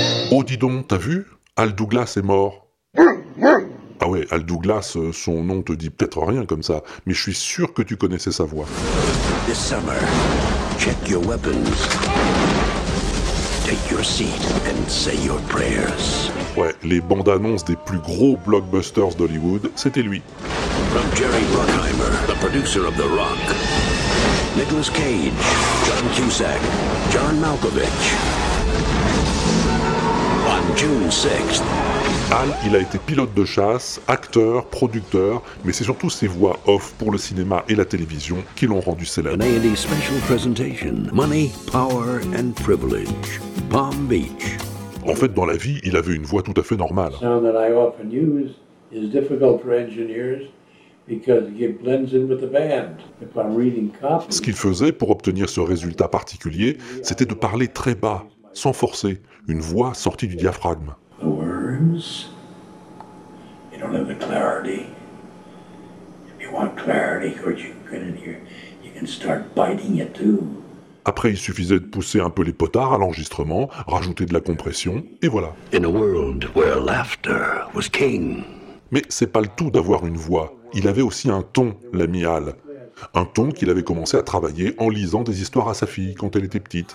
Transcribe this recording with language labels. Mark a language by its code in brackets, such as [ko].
[fr] Oh dis donc, t'as vu? Al Douglas est mort. Ah ouais, Al Douglas, son nom te dit peut-être rien comme ça, mais je suis sûr que tu connaissais sa voix. [en] This summer, check your weapons. Take your seat and say your prayers. [fr] Ouais, les bandes-annonces des plus gros blockbusters d'Hollywood, c'était lui. [en] From Jerry Bruckheimer, the producer of The Rock. Nicolas Cage, John Cusack, John Malkovich. On June 6th. [fr] Al, il a été pilote de chasse, acteur, producteur, mais c'est surtout ses voix off pour le cinéma et la télévision qui l'ont rendu célèbre. [en] An A&E special presentation. Money, power and privilege. Palm Beach. [fr] En fait, dans la vie, il avait une voix tout à fait normale. [en] The sound that I often use is difficult for engineers because it blends in with the band. If I'm reading copy. [fr] Ce qu'il faisait pour obtenir ce résultat particulier, c'était de parler très bas, sans forcer, une voix sortie du diaphragme. [en] You don't have the clarity. If you want clarity, could you get in here? You can start biting it too. [fr] Après, il suffisait de pousser un peu les potards à l'enregistrement, rajouter de la compression, et voilà. [en] In a world where laughter was king. [fr] Mais c'est pas le tout d'avoir une voix. Il avait aussi un ton, l'ami Al. Un ton qu'il avait commencé à travailler en lisant des histoires à sa fille quand elle était petite.